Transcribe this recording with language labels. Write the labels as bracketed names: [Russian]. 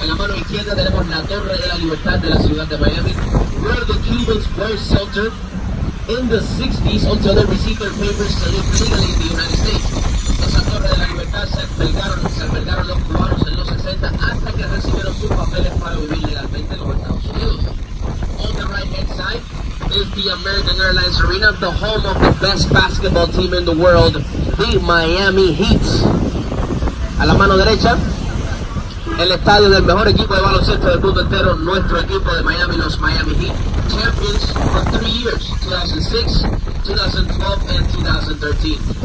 [Spanish] En la mano izquierda tenemos la Torre de la Libertad de la ciudad de Miami. [English] We're the Cubans' first shelter in the 60s until they received their papers to live legally in the United States. [Spanish] Esa Torre de la Libertad se albergaron los cubanos en los 60 hasta que recibieron sus papeles para vivir legalmente en los Estados Unidos. [English] On the right hand side is the American Airlines Arena, the home of the best basketball team in the world, the Miami Heat. [Spanish] A la mano derecha, el estadio del mejor equipo de baloncesto del mundo entero, nuestro equipo de Miami, los Miami Heat, [English] champions for 3 years, 2006, 2012, and 2013.